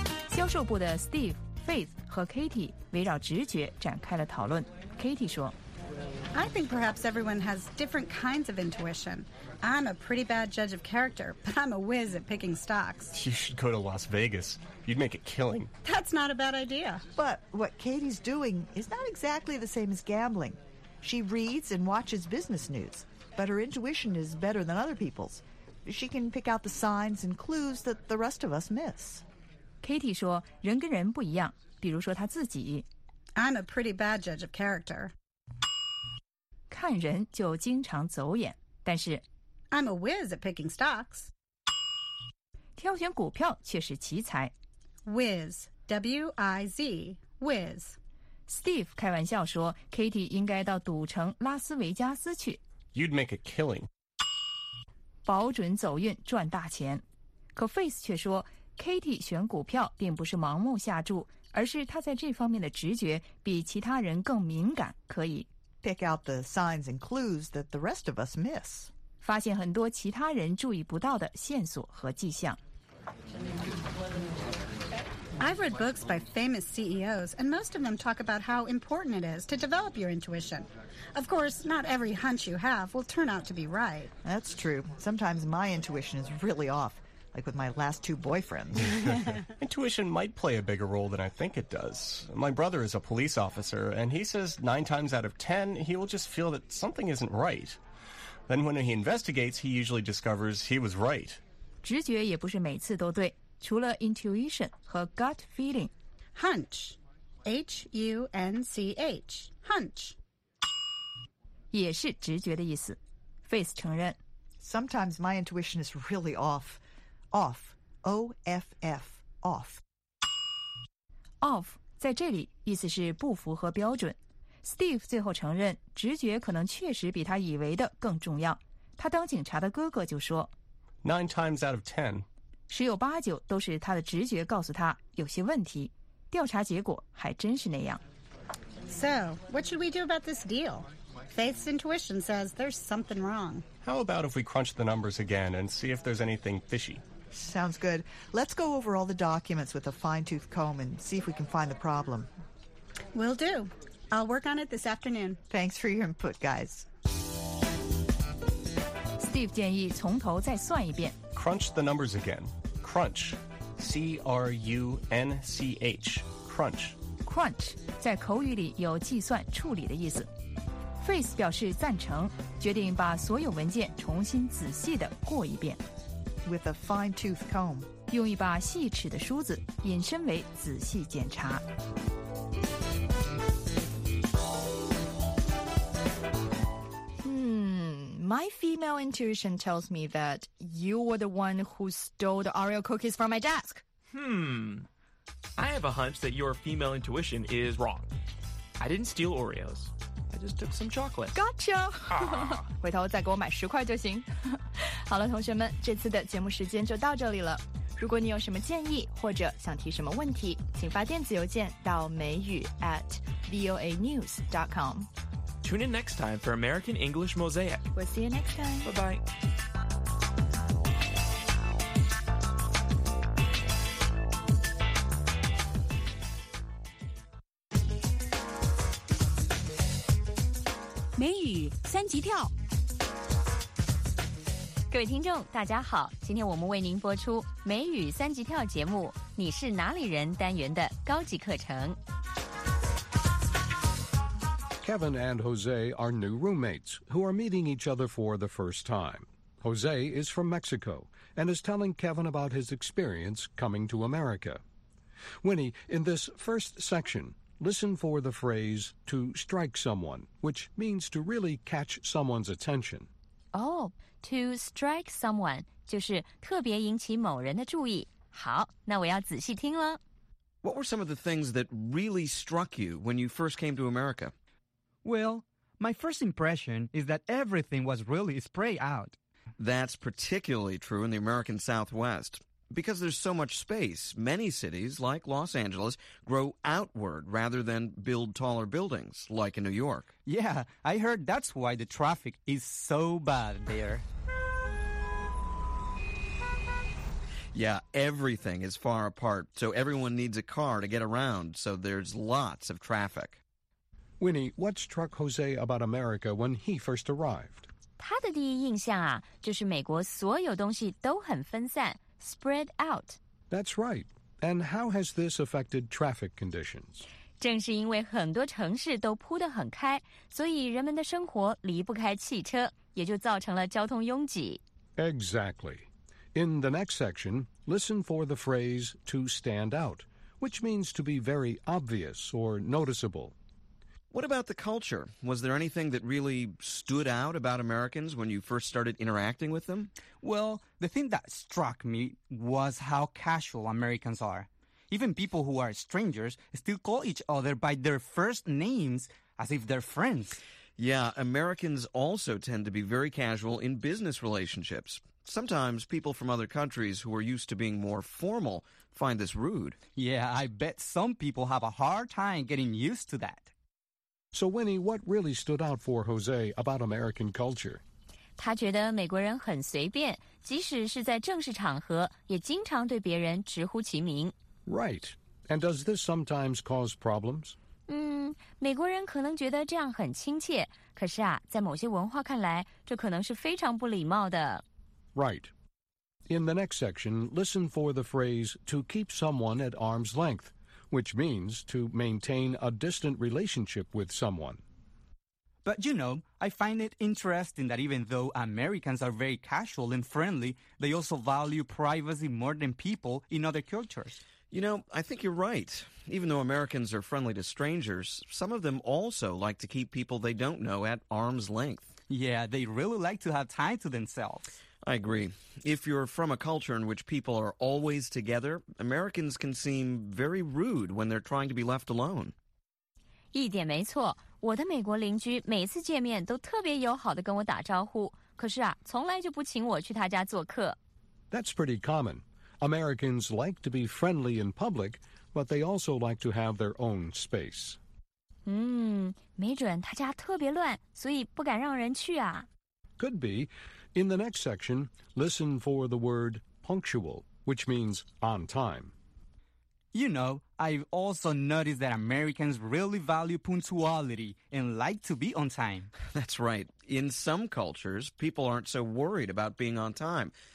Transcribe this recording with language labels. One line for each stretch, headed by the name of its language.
Chinese: 销售部的 Steve, Faith 和 Katie 围绕直觉展开了讨论。 Katie 说
English: I think perhaps everyone has different kinds of intuition. I'm a pretty bad judge of character, but I'm a whiz at picking stocks. You should go to Las Vegas. You'd make a killing. That's not a bad idea. But what Katie's doing is not exactly the same as gambling. She reads and watches business news, but her intuition is better than other people's. She can pick out the signs and clues that the rest of us miss.
Chinese: Katie 说人跟人不一样，比如说她自己。
English: I'm a pretty bad judge of character.
Chinese: 看人就经常走眼，但是
English: I'm a whiz at picking stocks.
Chinese: 挑选股票却是奇才。
English: Whiz, W-I-Z, whiz.
Chinese: Steve 开玩笑说 Katie 应该到赌城拉斯维加斯去。
English: You'd make a killing.
Chinese: 保准走运赚大钱。可 Face 却说 Katie 选股票并不是盲目下注，而是她在这方面的直觉比其他人更敏感，可以
English: Pick out the signs and clues that the rest of us miss.
Chinese: 发现很多其他人注意不到的线索和迹象。
English: I've read books by famous CEOs, and most of them talk about how important it is to develop your intuition. Of course, not every hunch you have will turn out to be right. That's true. Sometimes my intuition is really off, like with my last two boyfriends. Intuition might play a bigger role than I think it does. My brother is a police officer, and he says 9 times out of 10, he will just feel that something isn't right. Then when he investigates, he usually discovers he was right.
Chinese: 直觉也不是每次都对，除了 intuition 和 gut feeling.
English: Hunch. H-U-N-C-H. Hunch.
Chinese: 也是直觉的意思。Face 承认。
English: Sometimes my intuition is really off. Off, O-F-F, off.
Chinese: Off, 在这里意思是不符合标准。Steve 最后承认直觉可能确实比他以为的更重要。他当警察的哥哥就说
English: 9 times out of 10.
Chinese: 十有八九都是他的直觉告诉他有些问题。调查结果还真是那样。
English: So, what should we do about this deal? Faith's intuition says there's something wrong. How about if we crunch the numbers again and see if there's anything fishy? Sounds good. Let's go over all the documents with a fine-tooth comb and see if we can find the problem. Will do. I'll work on it this afternoon. Thanks for your input, guys.
Chinese: Steve 建议从头再算一遍。
English: Crunch the numbers again. Crunch. C-R-U-N-C-H. Crunch.
Chinese: Crunch 在口语里有计算、处理的意思。 Face 表示赞成，决定把所有文件重新仔细地过一遍。
English: With a fine-tooth comb.
Chinese: 用一把细齿的梳子引申为仔细检查。
English: My female intuition tells me that you were the one who stole the Oreo cookies from my desk. I have a hunch that your female intuition is wrong. I didn't steal Oreos. Just took some chocolate. Gotcha!、 Ah.
Chinese: 回头再给我买十块就行。好了，同学们，这次的节目时间就到这里了。如果你有什么建议或者想提什么问题，请发电子邮件到美语 @voanews.com.
English: Tune in next time for American English Mosaic. We'll see you next time. Bye-bye.
Chinese: 美语三级跳。各位听众大家好，今天我们为您播出美语三级跳节目你是哪里人单元的高级课程。
English: Kevin and Jose are new roommates who are meeting each other for the first time. Jose is from Mexico and is telling Kevin about his experience coming to America. Winnie, in this first section, listen for the phrase to strike someone, which means to really catch someone's attention. Oh, to strike someone
Chinese: 就是特别引起某人的注意。好，那我要仔细听了。
English: What were some of the things that really struck you when you first came to America? Well, my first impression is that everything was really spread out. That's particularly true in the American Southwest. Because there's so much space, many cities, like Los Angeles, grow outward rather than build taller buildings, like in New York. Yeah, I heard that's why the traffic is so bad there. Yeah, everything is far apart, so everyone needs a car to get around, so there's lots of traffic. Winnie, what struck Jose about America when he first arrived?
Chinese: 他的第一印象啊，就是美国所有东西都很分散 ,
English: spread out. That's right. And how has this affected traffic conditions?
Chinese: 正是因为很多城市都铺得很开，所以人们的生活离不开汽车，也就造成了交通拥挤。
English: Exactly. In the next section, listen for the phrase to stand out, which means to be very obvious or noticeable. What about the culture? Was there anything that really stood out about Americans when you first started interacting with them? Well, the thing that struck me was how casual Americans are. Even people who are strangers still call each other by their first names as if they're friends. Yeah, Americans also tend to be very casual in business relationships. Sometimes people from other countries who are used to being more formal find this rude. Yeah, I bet some people have a hard time getting used to that. So, Winnie, what really stood out for Jose about American culture? 他觉得美国人很随便，即使是在正式场合，也经常对别人直呼其名。 Right. And does this sometimes cause problems? 美国人可能觉得这样很亲切，可是啊，在某些文化看来，这可能是非常不礼貌的。 Right. In the next section, listen for the phrase to keep someone at arm's length. Which means to maintain a distant relationship with someone. But you know, I find it interesting that even though Americans are very casual and friendly, they also value privacy more than people in other cultures. You know, I think you're right. Even though Americans are friendly to strangers, some of them also like to keep people they don't know at arm's length. Yeah, they really like to have time to themselves. I agree. If you're from a culture in which people are always together, Americans can seem very rude when they're trying to be left alone.
Chinese: 一点没错，我的美国邻居每次见面都特别友好地跟我打招呼，可是啊，从来就不请我去他家做客。
English: That's pretty common. Americans like to be friendly in public, but they also like to have their own space.
Chinese: 没准他家特别乱，所以不敢让人去啊。
English: Could be. In the next section, listen for the word punctual, which means on time. You know, I've also noticed that Americans really value punctuality and like to be on time. That's right. In some cultures, people aren't so worried about being on time.